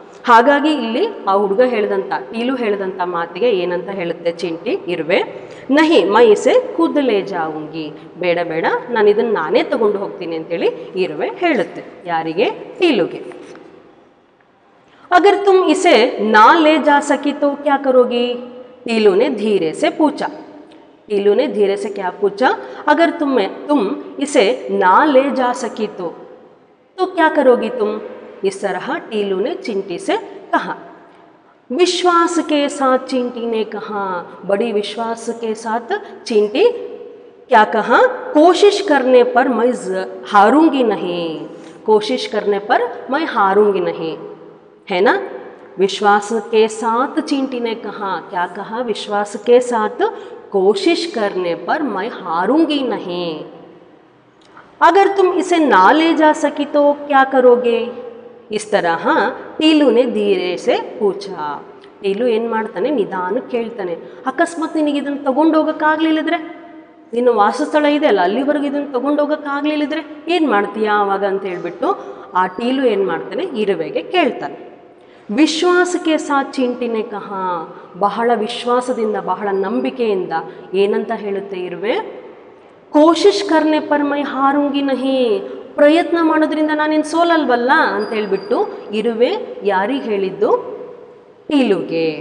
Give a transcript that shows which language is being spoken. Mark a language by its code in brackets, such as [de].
[kn] ಹಾಗಾಗಿ ಇಲ್ಲಿ ಆ ಹುಡುಗ ಹೇಳ್ದಂಥ, ಟೀಲು ಹೇಳ್ದಂಥ ಮಾತಿಗೆ ಏನಂತ ಹೇಳುತ್ತೆ ಚಿಂಟಿ, ಇರುವೆ, [hi] ನಹಿ ಮೈ ಇಸೆ ಖುದ್ ಲೇ ಜಾವುಂಗಿ, [kn] ಬೇಡ ಬೇಡ ನಾನು ಇದನ್ನು ನಾನೇ ತಗೊಂಡು ಹೋಗ್ತೀನಿ ಅಂತೇಳಿ ಇರುವೆ ಹೇಳುತ್ತೆ. ಯಾರಿಗೆ, ಟೀಲುಗೆ. [hi] ಅಗರ್ ತುಮ್ ಇಸೆ ನಾ ಲೇ ಜಾ ಸಕಿ ತೋ ಕ್ಯಾ ಕರೋಗಿ, ಟೀಲೂನೆ ಧೀರೆ ಸೆ ಪೂಚಾ. पीलू ने धीरे से क्या पूछा, अगर तुम इसे ना ले जा सकी तो क्या करोगी तुम? इस तरह टीलू ने चींटी से कहा। विश्वास के साथ चींटी ने कहा, बड़ी विश्वास के साथ चींटी क्या कहा, कोशिश करने पर मैं हारूंगी नहीं, है ना। विश्वास के साथ चींटी ने कहा, क्या कहा, विश्वास के साथ कोशिश करने पर मैं हारूंगी नहीं। अगर तुम इसे ना ले जा सकी तो क्या करोगे? इस तरह टीलू ने धीरे से पूछा। [kn] टीलू ಏನ್ಮಾಡ್ತಾನೆ, ನಿಧಾನ ಕೇಳ್ತಾನೆ, ಅಕಸ್ಮಾತ್ ನಿನಗೆ ಇದನ್ನು ತಗೊಂಡೋಗಕ್ಕಾಗಲಿಲ್ಲದ್ರೆ, ನಿನ್ನ ವಾಸಸ್ಥಳ ಇದೆ ಅಲ್ಲ ಅಲ್ಲಿವರೆಗೆ ಇದನ್ನು ತಗೊಂಡೋಗಕ್ಕಾಗಲಿಲ್ಲದ್ರೆ ಏನು ಮಾಡ್ತೀಯ ಆವಾಗ ಅಂತ ಹೇಳಿಬಿಟ್ಟು ಆ ಟೀಲು ಏನು ಮಾಡ್ತಾನೆ, ಇರುವೆಗೆ ಕೇಳ್ತಾನೆ. [hi] ವಿಶ್ವಾಸಕ್ಕೆ ಸಾ ಚಿಂಟಿನೇ ಕಹ, [kn] ಬಹಳ ವಿಶ್ವಾಸದಿಂದ ಬಹಳ ನಂಬಿಕೆಯಿಂದ ಏನಂತ ಹೇಳುತ್ತೆ ಇರುವೆ, [hi] ಕೋಶಿಷ್ ಕರ್ನೆ ಪರ್ ಮೈ ಹಾರುಂಗಿ ನಹಿ, [kn] ಪ್ರಯತ್ನ ಮಾಡೋದ್ರಿಂದ ನಾನಿನ್ ಸೋಲಲ್ವಲ್ಲ ಅಂತ ಹೇಳಿಬಿಟ್ಟು ಇರುವೆ ಯಾರಿಗೆ ಹೇಳಿದ್ದು? ಟೀಲುಗೆ.